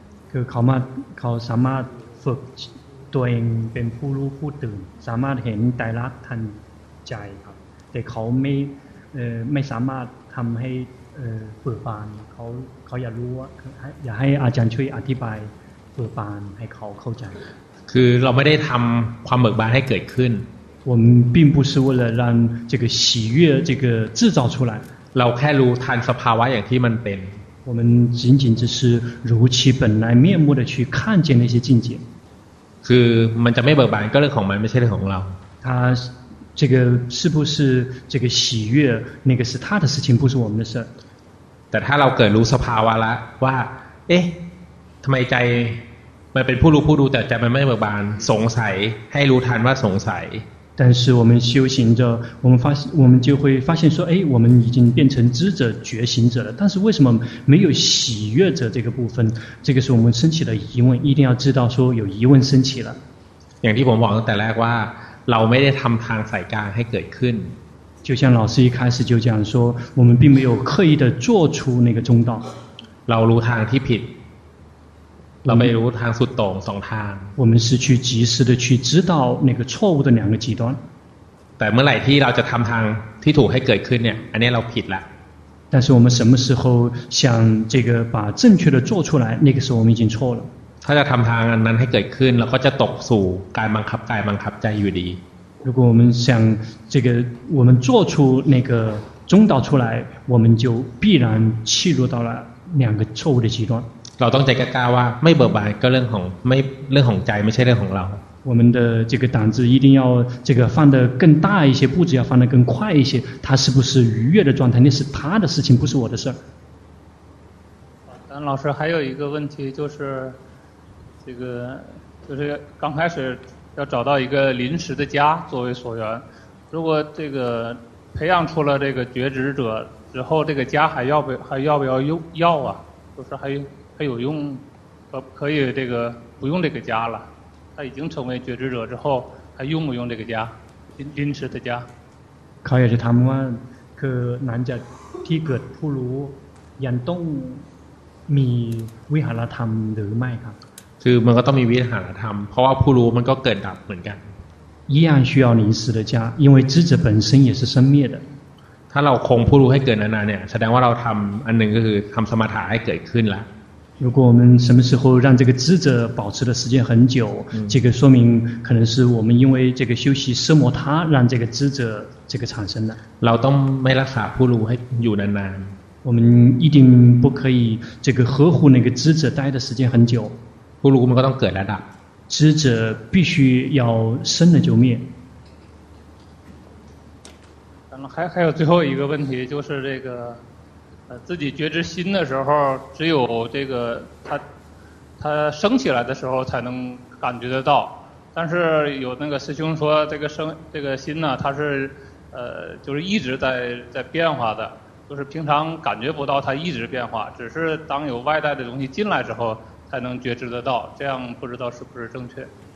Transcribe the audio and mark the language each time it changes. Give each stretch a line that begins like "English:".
Thai: คือเขาสามารถฝึกตัวเองเป็นผู้รู้ผู้ตื่นสามารถเห็นไตรลักษณ์ทันใจครับแต่เขาไม่สามารถทำให้เปิดบานเขาอยากรู้ว่าอยากให้อาจารย์ช่วยอธิบายเปิดบานให้เขาเข้าใจ คือเราไม่ได้ทำความเบิกบานให้เกิดขึ้น
Chinese: 我们并不是为了让这个喜悦这个制造出来
Thai: เราแค่รู้ทันสภาวะอย่างที่มันเป็น
Chinese: 我们仅仅只是如其本来面目的去看见那些境界
Thai: คือมันจะไม่เบิกบานก็เรื่องของมันไม่ใช่เรื่องของเรา
Chinese: 他这个是不是这个喜悦那个是他的事情不是我们的事
Thai: แต่ถ้าเราเกิดรู้สภาวะแล้วว่าเอ๊ะทำไมใจมันเป็นผู้รู้ผู้ดูแต่ใจมันไม่เบิกบานสงสัยให้รู้ทันว่าสงสัย
Chinese: 但是我们修行着我们就会发现说我们已经变成知者觉醒者了但是为什么没有喜悦者这个部分这个是我们升起的疑问一定要知道说有疑问升起了
Thai: อย่างที่ผมบอกตั้งแต่แรกว่าเราไม่ได้ทำทางสายกลางให้เกิดขึ้น
Chinese: 就像老师一开始就讲说我们并没有刻意的做出那个中道
Thai: เรารู้ทางที่ผิดเราไม่รู้ทางสุดโต่งสองทาง
Chinese: 我们是去及时的去知道那个错误的两个极端
Thai: แต่เมื่อไหร่ที่เราจะทำทางที่ถูกให้เกิดขึ้นเนี่ยอันนี้เราผิดละ
Chinese: 但是我们什么时候想这个把正确的做出来那个时候我们已经错了
Thai: ถ้าจะทำทางนั้นให้เกิดขึ้นเราก็จะตกสู่การบังคับกายบังคับใจอยู่ดี
Chinese: 如果我们想这个我们做出那个中道出来我们就必然弃入到了两个错误的极端
Thai: เราต้องใจกล้าว่าไม่เบิกบานก็เรื่องของไม่เรื่องของใจไม่ใช่เรื่องของเรา
Chinese: 我们的这个胆子一定要这个放得更大一些步子要放得更快一些他是不是愉悦的状态那是他的事情不是我的事丹老师还有一个问题就是这个就是刚开始要找到一个临时的家作为所缘如果这个培养出了这个觉知者之后这个家还要不要要啊就是还有用可以这个不用这个家了他已经成为觉知者之后还用不用这个家临时的家
Thai: เขาอยากจะถามว่าคือหลังจากที่เกิดผู้รู้ยังต้องมีวิหารธรรมหรือไม่ครับ คือมันก็ต้องมีวิหารธรรมเพราะว่าผู้รู้มันก็เกิดดับเหมือนกัน
Chinese: 一样需要临时的家因为知者本身也是生灭的
Thai: ถ้าเราคงผู้รู้ให้เกิดนานๆเนี่ยแสดงว่าเราทำอันนึงก็คือทำสมถะให้เกิดขึ้นละ
Chinese: 如果我们什么时候让这个知者保持的时间很久这个说明可能是我们因为这个修习奢摩他让这个知者这个产生的
Thai: เราต้องไม่รักษาผู้รู้ให้อยู่นาน
Chinese: ๆ我们一定不可以这个呵护那个知者待的时间很久
Thai: ผู้รู้มันก็ต้องเกิดแล้วดับ
Chinese: 知者必须要生了就灭还有最后一个问题就是这个自己觉知心的时候只有这个它升起来的时候才能感觉得到但是有那个师兄说这个心呢它是就是一直在变化的就是平常感觉不到它一直变化只是当有外带的东西进来之后才能觉知得到这样不知道是不是正确